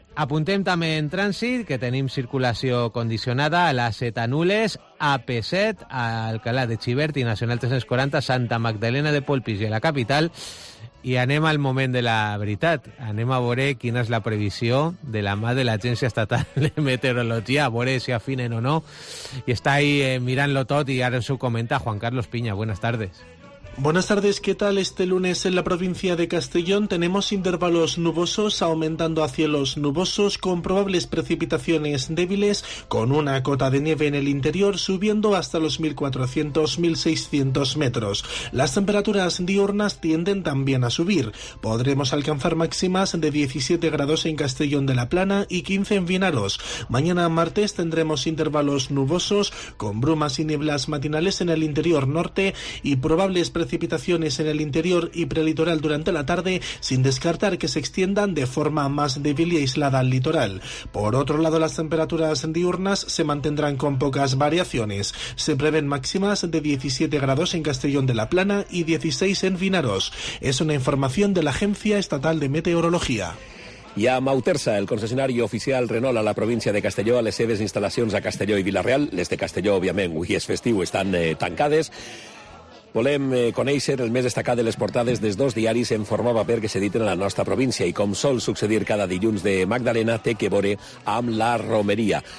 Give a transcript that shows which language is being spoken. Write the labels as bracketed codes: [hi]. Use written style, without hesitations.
[ca] Apuntem també en trànsit, que tenim circulació condicionada a la Set Anules, AP7, a Alcalá de Xivert i Nacional 340, Santa Magdalena de Polpís i a la capital. I anem al moment de la veritat. Anem a veure quina és la previsió de la mà de l'Agència Estatal de Meteorologia, a veure si afinen o no. I està ahí mirant-lo tot i ara ens ho comenta Juan Carlos Piña. [es] Buenas tardes. Buenas tardes, ¿qué tal? Este lunes en la provincia de Castellón tenemos intervalos nubosos aumentando a cielos nubosos con probables precipitaciones débiles, con una cota de nieve en el interior subiendo hasta los 1.400-1.600 metros. Las temperaturas diurnas tienden también a subir. Podremos alcanzar máximas de 17 grados en Castellón de la Plana y 15 en Vinaros. Mañana martes tendremos intervalos nubosos con brumas y nieblas matinales en el interior norte y probables precipitaciones en el interior y prelitoral durante la tarde, sin descartar que se extiendan de forma más débil y aislada al litoral. Por otro lado, las temperaturas diurnas se mantendrán con pocas variaciones. Se prevén máximas de 17 grados en Castellón de la Plana y 16 en Vinaros. Es una información de la Agencia Estatal de Meteorología. [ca] I a Mautersa, el concessionari oficial Renault a la província de Castelló, a les seves instal·lacions a Castelló i Vila-real, les de Castelló, òbviament, avui és festiu, estan tancades. Volem conèixer el més destacat de les portades dels dos diaris en format paper que s'editen a la nostra província i com sol succeir cada dilluns de Magdalena té que veure amb la romeria.